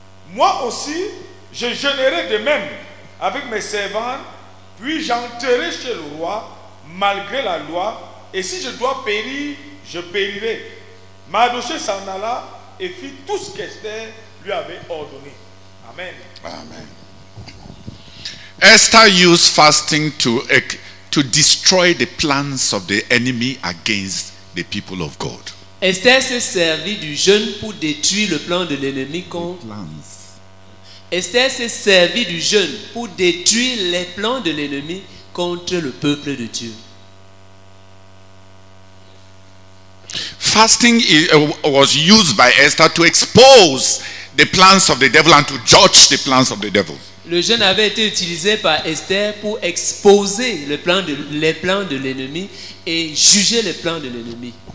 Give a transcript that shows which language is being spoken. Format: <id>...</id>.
<fr>Moi aussi, je jeûnerai de même avec mes servantes, puis j'entrerai chez le roi malgré la loi. Et si je dois périr, je périrai. Mardochée s'en alla et fit tout ce qu'Esther lui avait ordonné. Amen. Amen.</fr> <en>Esther used fasting to destroy the plans of the enemy against the people of God.</en> <fr>Esther s'est servi du jeûne pour détruire le plan de l'ennemi contre.</fr> <en>Plans.</en> <fr>Esther s'est servi du jeûne pour détruire les plans de l'ennemi contre le peuple de Dieu.</fr> <en>Fasting was used by Esther to expose the plans of the devil and to judge the plans of the devil.</en> <fr>Le jeûne avait été utilisé par Esther pour exposer les plans de l'ennemi et juger les plans de l'ennemi.</fr>